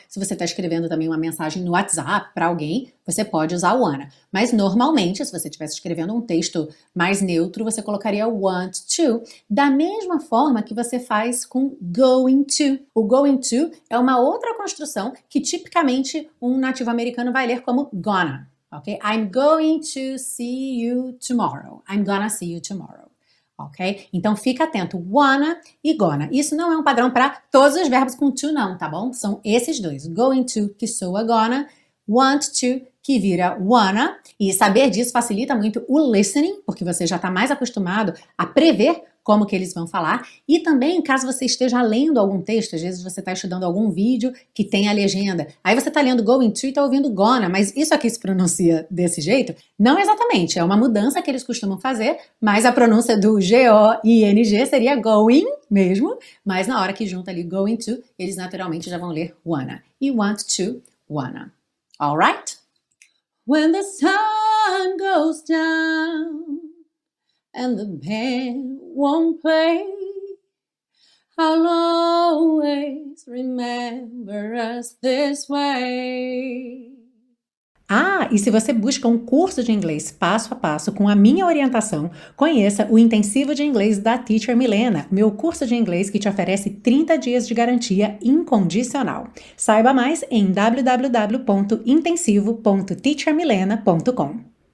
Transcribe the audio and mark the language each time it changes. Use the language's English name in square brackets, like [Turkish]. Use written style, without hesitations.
[Portuguese] Se você tá escrevendo também uma mensagem no WhatsApp para alguém, você pode usar wanna. Mas normalmente, se você estivesse escrevendo um texto mais neutro, você colocaria want to, da mesma forma que você faz com going to. O going to é uma outra construção que tipicamente um nativo americano vai ler como gonna, ok? [English] I'm going to see you tomorrow. I'm gonna see you tomorrow. Ok? [Portuguese] Então fica atento, wanna e gonna. Isso não é um padrão para todos os verbos com to, não, tá bom? São esses dois, going to, que soa gonna, want to, que vira wanna. E saber disso facilita muito o listening, porque você já está mais acostumado a prever como que eles vão falar. E também, caso você esteja lendo algum texto, às vezes você está estudando algum vídeo que tem a legenda. Aí você está lendo going to e está ouvindo gonna, mas isso aqui se pronuncia desse jeito? Não exatamente, é uma mudança que eles costumam fazer, mas a pronúncia do G-O-I-N-G seria going mesmo, mas na hora que junta ali going to, eles naturalmente já vão ler wanna. [English] E want to, wanna. All right? When the sun goes down and the band won't play, I'll always remember us this way. [Portuguese] Ah, e se você busca um curso de inglês passo a passo com a minha orientação, conheça o Intensivo de Inglês da Teacher Milena, meu curso de inglês que te oferece 30 dias de garantia incondicional. Saiba mais em www.intensivo.teachermilena.com.